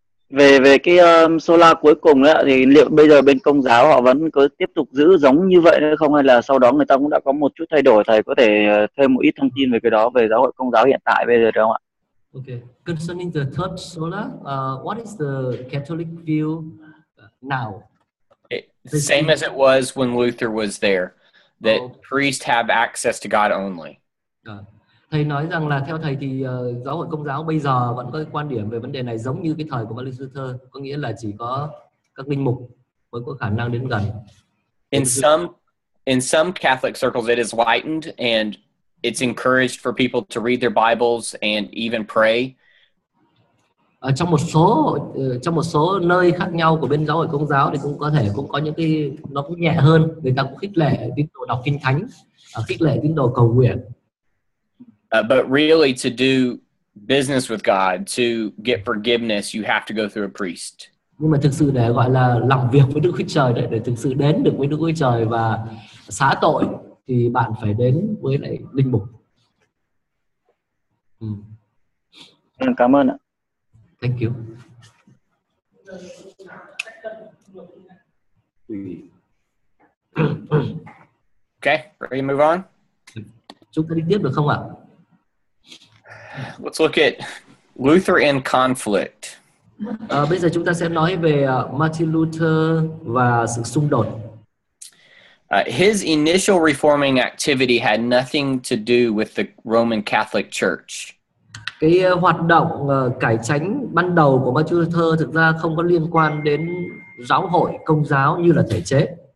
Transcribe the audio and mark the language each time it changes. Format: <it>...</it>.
<vi>Về cái sola cuối cùng đó, thì liệu bây giờ bên Công giáo họ vẫn có tiếp tục giữ giống như vậy hay không, hay là sau đó người ta cũng đã có một chút thay đổi? Thầy có thể thêm một ít thông tin về cái đó, về giáo hội Công giáo hiện tại bây giờ được không ạ?</vi> <en>Okay. Concerning the third sola, what is the Catholic view now? Same as it was when Luther was there, that priests have access to God only.</en> <vi>Thầy nói rằng là theo thầy thì giáo hội Công giáo bây giờ vẫn có quan điểm về vấn đề này giống như cái thời của Martin Luther, có nghĩa là chỉ có các linh mục mới có khả năng đến gần.</vi> <en>In some Catholic circles it is lightened and it's encouraged for people to read their Bibles and even pray.</en> <vi>Trong một số nơi khác nhau của bên giáo hội Công giáo thì cũng có thể cũng có những cái nó cũng nhẹ hơn, người ta cũng khích lệ tín đồ đọc kinh thánh, khích lệ tín đồ cầu nguyện.</vi> <en>But really, to do business with God, to get forgiveness, you have to go through a priest.</en> <vi>Nhưng mà thực sự để gọi là làm việc với Đức Chúa Trời, để thực sự đến được với Đức Chúa Trời và xá tội, thì bạn phải đến với lại linh mục. Cảm ơn ạ.</vi> <en>Thank you. Okay, ready to move on?</en> <vi>Chúng ta đi tiếp được không ạ?</vi> <en>Let's look at Luther in conflict.</en> <vi>Bây giờ chúng ta sẽ nói về Martin Luther và sự xung đột.</vi> <en>His initial reforming activity had nothing to do with the Roman Catholic Church.</en> <vi>Cái hoạt động cải chánh ban đầu của Martin Luther thực ra không có liên quan đến giáo hội Công giáo như là thể chế.</vi>